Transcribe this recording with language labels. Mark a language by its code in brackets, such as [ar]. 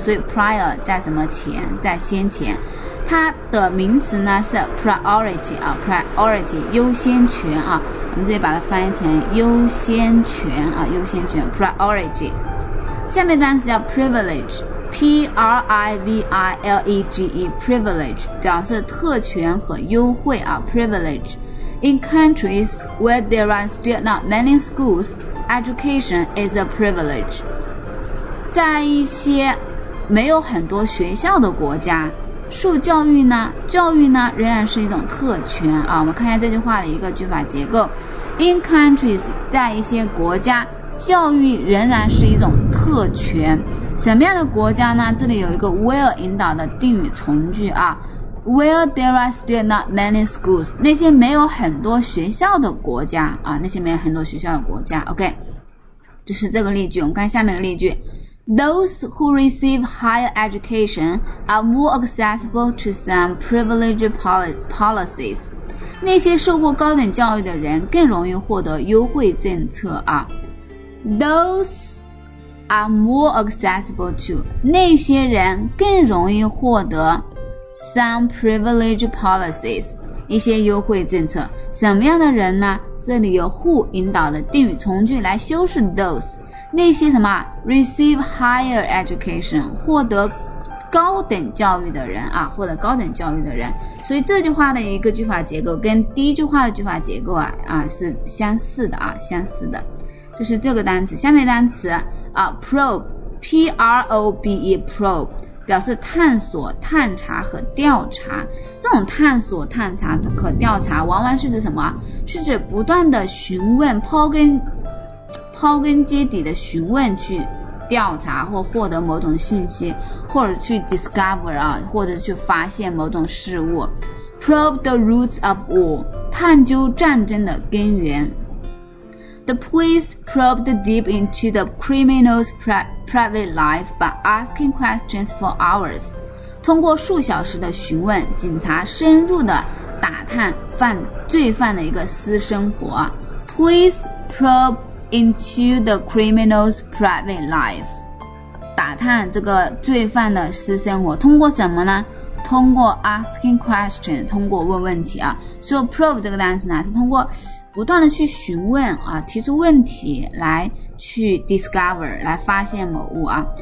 [zh] 所以 prior 在什么前，在先前。它的名词呢是 priority 啊， priority 优先权啊，我们这里把它翻译成优先权啊，优先权 priority。下面单词叫 privilege， P-R-I-V-I-L-E-G-E， privilege 表示特权和优惠啊。 [en] privilege。 In countries where there are still not many schools, education is a privilege. [zh] 在一些没有很多学校的国家，受教育呢，教育呢仍然是一种特权啊。我们看一下这句话的一个句法结构。 [en] In countries， [zh] 在一些国家，教育仍然是一种特权。什么样的国家呢？这里有一个 where 引导的定语从句啊。 [en] Where there are still not many schools， [zh] 那些没有很多学校的国家啊，那些没有很多学校的国家。 [en] OK， [zh] 这是这个例句。我们看下面的例句 [en] ：Those who receive higher education are more accessible to some privileged policies。 [zh] 那些受过高等教育的人更容易获得优惠政策啊。 [en] Those are more accessible to， [zh] 那些人更容易获得。 [en] Some privilege policies， [zh] 一些优惠政策。什么样的人呢？这里有 who 引导的定语从句来修饰 those， 那些什么 [en] receive higher education， [zh] 获得高等教育的人啊，获得高等教育的人。所以这句话的一个句法结构跟第一句话的句法结构啊是相似的啊，相似的。这是这个单词。下面单词啊 probe， P-R-O-B-E， probe。表示探索、探查和调查。这种探索、探查和调查往往是指什么？是指不断的询问，刨根揭底的询问，去调查或获得某种信息，或者去 discover 啊，或者去发现某种事物。 [en] probe the roots of war， [zh] 探究战争的根源。 [en] The police probed deep into the criminal's private life by asking questions for hours. [zh] 通过数小时的询问，警察深入地打探罪犯的一个私生活。 [en] Police probe into the criminal's private life. [zh] 打探这个罪犯的私生活，通过什么呢？通过 [en] asking question， [zh] 通过问问题啊。所以 probe 这个单词呢，是通过不断的去询问啊，提出问题来去 discover， 来发现某物啊。